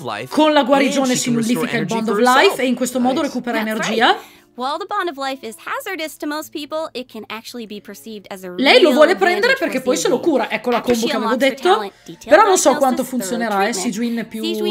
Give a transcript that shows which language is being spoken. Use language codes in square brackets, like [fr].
[it] Con la guarigione si nullifica il bond of life e in questo modo recupera energia. [en] While the bond of life is hazardous to most people, it can actually be perceived as a real. [it] Lei lo vuole prendere perché poi se lo cura. Ecco la combo che avevo detto. Però non so quanto funzionerà, Sijuin più